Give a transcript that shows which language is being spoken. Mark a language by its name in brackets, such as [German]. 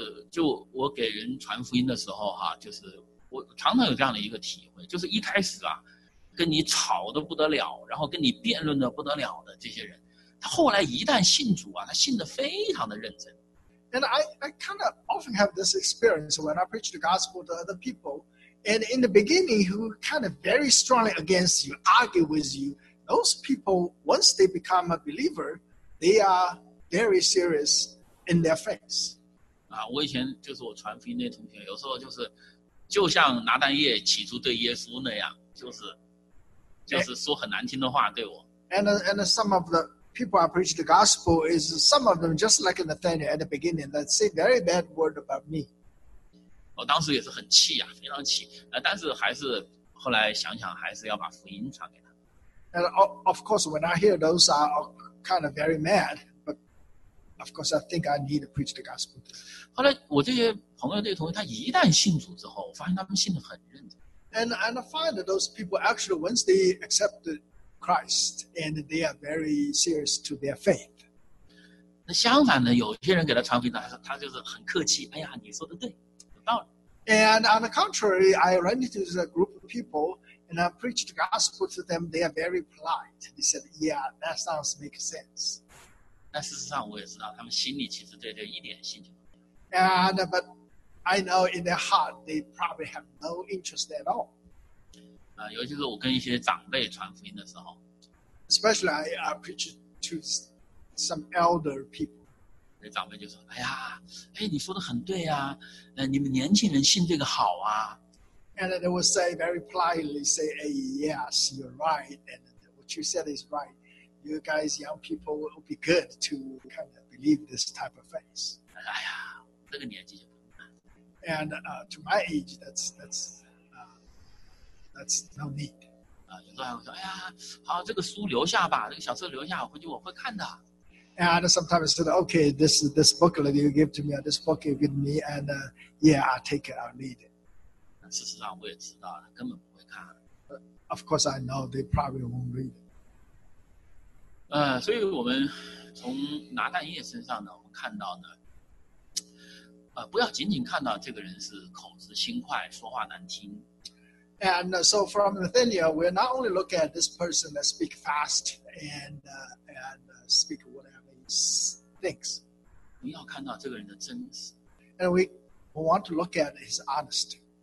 [Chinese] 就我给人传福音的时候哈、啊，就是我常常有这样的一个体会，就是一开始啊，跟你吵得不得了，然后跟你辩论得不得了的这些人，他后来一旦信主啊，他信得非常的认真。 [English] And I kind of often have this experience when I preach the gospel to other people, and in the beginning, who kind of very strongly against you, argue with you, those people once they become a believer, they are very serious. In their face, [Chinese] 啊，我以前就是我传福音那同学，有时候就是，就像拿但业起初对耶稣那样，就是说很难听的话对我。 [English] And some of the people I preach the gospel is some of them just like Nathaniel at the beginning that say very bad word about me. [Chinese] 我当时也是很气呀、啊，非常气，但是还是后来想想，还是要把福音传给他。 [English] And of course, when I hear those, I'm kind of very mad. Of course, I think I need to preach the gospel. [Chinese] 后来，我这些朋友、这些同学，他一旦信主之后，我发现他们信得很认真。 [English] And I find that those people actually once they accepted Christ, and they are very serious to their faith. [Chinese] 那相反呢，有些人给他传福音，他就是很客气。哎呀，你说的对，有道理。 [English] And on the contrary, I ran into a group of people, and I preached the gospel to them. They are very polite. They said, "Yeah, that sounds make sense." [Chinese] 但事实上我也知道他们心里其实对这一点兴趣。 [English] And, but I know in their heart, they probably have no interest at all. [Chinese] 尤其是我跟一些长辈传福音的时候。 [English] Especially I preach to some elder people. [Chinese] 那长辈就说，哎呀，哎，你说的很对啊，你们年轻人信这个好啊。 [English] And they will say very politely, say, hey, yes, you're right, and what you said is right. You guys, young people, will be good to kind of believe this type of faith. [Chinese] 哎呀，这个年纪就不能。 [English] And to my age, that's no need. [Chinese] 有时候还会说，哎呀，好，这个书留下吧，这个小册留下，回去我会看的。 [English] And sometimes said, okay, this book that you give to me, this book you give me, and yeah, I'll take it, I'll read it. [Chinese] 事实上我也知道了，根本不会看。 [English] Of course, I know they probably won't read it. [Chinese] 所以我们从拿但业身上呢，我们看到呢，不要仅仅看到这个人是口直心快，说话难听。 [English] And so from Nathaniel, we're not only look at this person that speak fast and speak whatever he thinks. [Chinese] 你要看到这个人的真实。 [English] And we want to look at his honesty.